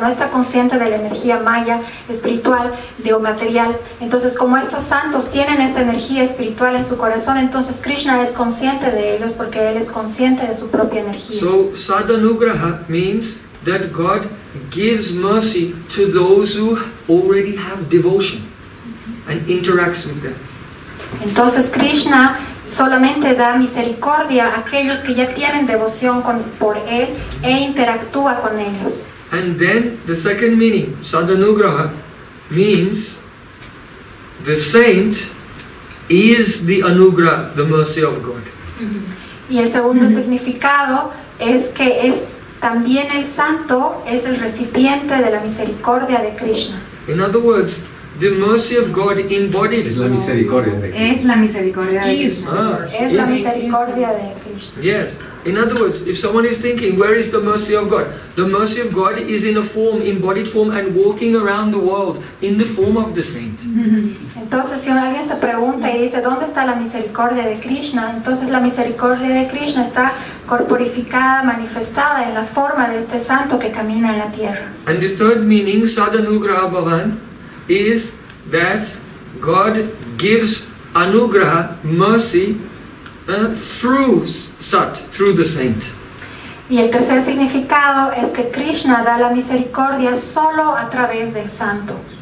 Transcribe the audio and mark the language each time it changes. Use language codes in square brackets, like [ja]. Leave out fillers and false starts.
[es] No está consciente de la energía Maya espiritual, de o material. Entonces, como estos santos tienen esta energía espiritual en su corazón, entonces Krishna es consciente de ellos porque él es consciente de su propia energía. [en] So, sadanugraha means that God gives mercy to those who already have devotion and interacts with them. [es] Entonces Krishna solamente da misericordia a aquellos que ya tienen devoción por él e interactúa con ellos. [en] And then the second meaning, sadanugraha, means the saint is the anugraha, the mercy of God. [es] Y el segundo significado es que es también el santo es el recipiente de la misericordia de Krishna. [en] In other words, the mercy of God embodied. [es] Es la misericordia de Krishna. Es la misericordia de Krishna. Es la misericordia de Krishna. [en] Yes. In other words, if someone is thinking, where is the mercy of God? The mercy of God is in a form, embodied form, and walking around the world in the form of the saint. [es] Entonces, si alguien se pregunta y dice, ¿dónde está la misericordia de Krishna? Entonces, la misericordia de Krishna está corporificada, manifestada en la forma de este santo que camina en la tierra. [en] And the third meaning, sadanugraha bhavan, is that God gives anugraha, mercy, through the saint. [es] Y el tercer significado es que Krishna da la misericordia solo a través del santo.